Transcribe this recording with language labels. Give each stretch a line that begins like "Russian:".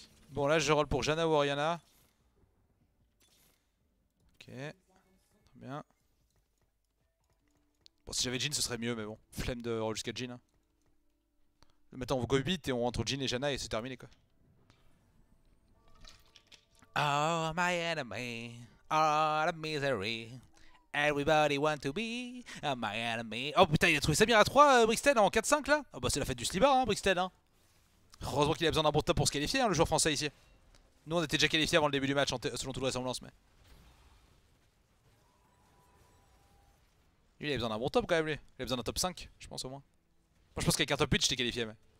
French: Bon, là je roll pour Janna ou Orianna. Ok, très bien. Bon, si j'avais Jhin, ce serait mieux, mais bon, flemme de roll jusqu'à Jhin. Hein. Maintenant, on go 8 et on rentre Jhin et Janna et c'est terminé quoi.
English: Oh, my enemy, all the misery. Everybody want to be my enemy.
French: Oh putain, il a trouvé Samira 3, Brixton en 4-5 là. Oh bah c'est la fête du slibard, hein, Brixton. Hein. Heureusement qu'il a besoin d'un bon top pour se qualifier, hein, le joueur français ici. Nous on était déjà qualifiés avant le début du match, selon toute vraisemblance, mais. Lui il a besoin d'un bon top quand même, lui. Il a besoin d'un top 5, je pense au moins. Moi je pense qu'avec un top 8, j'étais qualifié, mais.